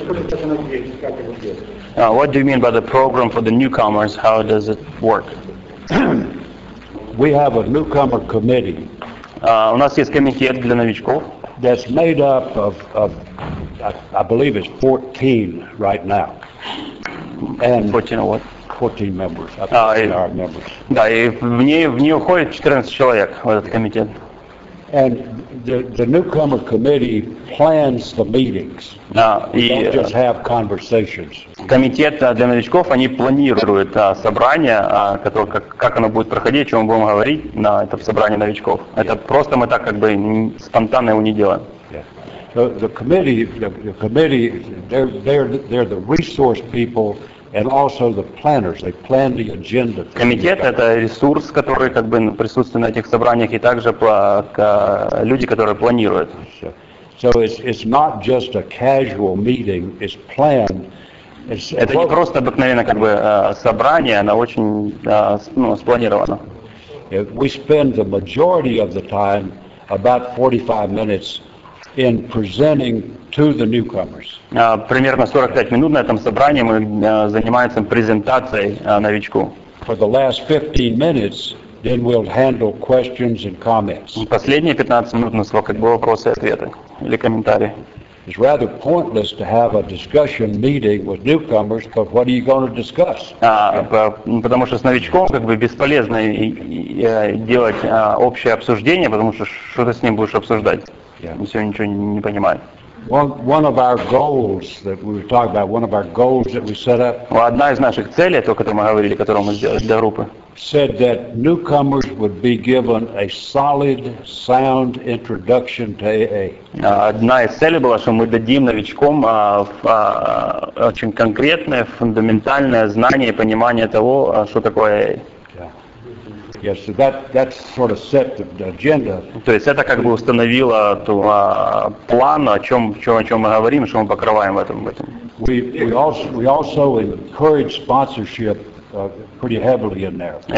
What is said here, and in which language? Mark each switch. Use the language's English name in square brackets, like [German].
[English] What do you mean by the program for the newcomers? How does it work? We have a newcomer committee. [Russian] У нас есть комитет для новичков. [English] That's made up of I believe it's 14 right now. And 14 what? 14 members. Members. [Russian] Да, и в нее входит 14 человек в этот комитет. [English] And the newcomer committee plans the meetings. They don't just have conversations. [Russian] Комитет для новичков, они планируют собрание, как оно будет проходить, о чем мы будем говорить на этом собрании новичков. Это просто мы так как бы спонтанно его не делаем. [English] So the committee they're the resource people. And also the planners, they plan the agenda. [Russian] Комитет — это ресурс, который как бы присутствует на этих собраниях, и также люди, которые планируют. [English] So it's not just a casual meeting, it's planned. [Russian] Это не просто обыкновенное как бы собрание, оно очень спланировано. [English] We spend the majority of the time, about 45 minutes, in presenting to the newcomers. [Russian] Примерно 45 минут на этом собрании мы занимаемся презентацией новичку. [English] For the last 15 minutes, then we'll handle questions and comments. [Russian] Последние 15 минут на слово как бы вопросы и ответы или комментарии. [English] It's rather pointless to have a discussion meeting with newcomers, but what are you going to discuss? [Russian] Потому что с новичком как бы бесполезно делать общее обсуждение, потому что что ты с ним будешь обсуждать? [English] One of our goals that we were talking about, one of our goals that we set up. [Russian] Одна из наших целей, то, о которой мы говорили, которую мы сделали для группы. [English] Said that newcomers would be given a solid, sound introduction to AA. [Russian] Одна из целей была, что мы дадим новичкам очень конкретное, фундаментальное знание и понимание того, что такое AA. [English] Yes, so that sort of set the agenda. [Russian] То есть это как бы установило план, о чем мы говорим, что мы покрываем в этом. [English] We also encourage sponsorship pretty heavily in there.